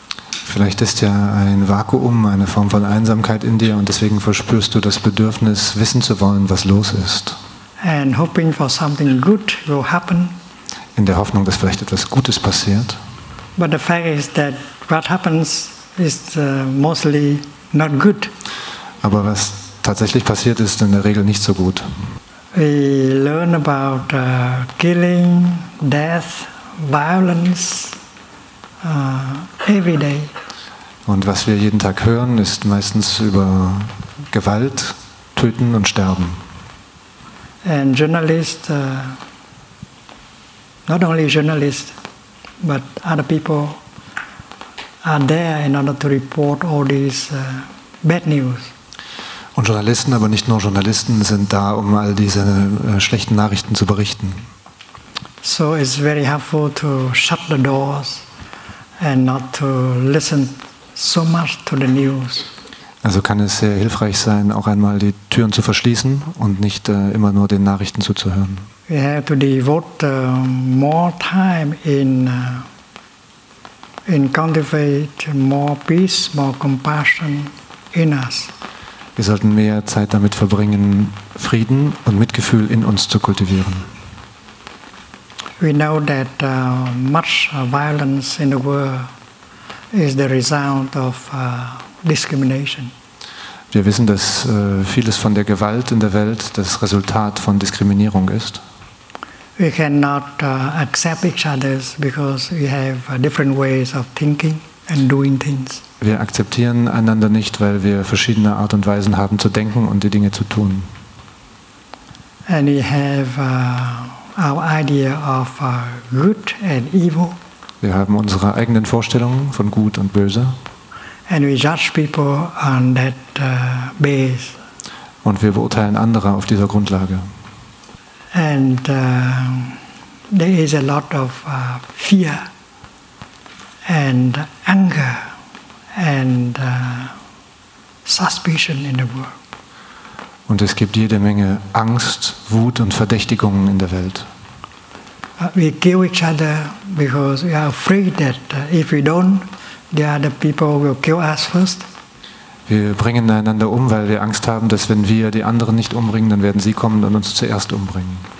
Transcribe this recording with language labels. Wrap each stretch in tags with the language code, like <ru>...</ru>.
<de>Vielleicht ist ja ein Vakuum, eine Form von Einsamkeit in dir und deswegen verspürst du das Bedürfnis, wissen zu wollen, was los ist.</de> <en>And hoping for something good will happen.</en> <de>In der Hoffnung, dass vielleicht etwas Gutes passiert.</de> <en>But the fact is that what happens is mostly not good.</en> <de>Aber was tatsächlich passiert, ist in der Regel nicht so gut.</de> <en>We learn about killing, death, violence every day.</en> <de>Und was wir jeden Tag hören, ist meistens über Gewalt, Töten und Sterben.</de> <en>And journalists, not only journalists, but other people are there in order to report all these bad news.</en> <de>Und Journalisten, aber nicht nur Journalisten, sind da, um all diese schlechten Nachrichten zu berichten.</de> <en>So it's very helpful to shut the doors and not to listen so much to the news.</en> <de>Also kann es sehr hilfreich sein, auch einmal die Türen zu verschließen und nicht immer nur den Nachrichten zuzuhören.</de> <en>We have to devote more time in cultivate more peace, more compassion in us.</en> <de>Wir sollten mehr Zeit damit verbringen, Frieden und Mitgefühl in uns zu kultivieren.</de> <en>We know that much violence in the world is the result of discrimination.</en> <de>Wir wissen, dass vieles von der Gewalt in der Welt das Resultat von Diskriminierung ist.</de> <en>We cannot accept each other because we have different ways of thinking and doing things.</en> <de>Wir akzeptieren einander nicht, weil wir verschiedene Art und Weisen haben zu denken und die Dinge zu tun.</de> <en>And we have our idea of good and evil.</en> <de>Wir haben unsere eigenen Vorstellungen von Gut und Böse.</de> <en>And we judge people on that base.</en> <de>Und wir beurteilen andere auf dieser Grundlage.</de> <en>And there is a lot of fear and anger. And suspicion in the world.</en> <de>Und es gibt jede Menge Angst, Wut und Verdächtigungen in der Welt.</de> <en>We kill each other because we are afraid that if we don't, the other people will kill us first.</en> <de>Wir bringen einander um, weil wir Angst haben, dass wenn wir die anderen nicht umbringen, dann werden sie kommen und uns zuerst umbringen.</de>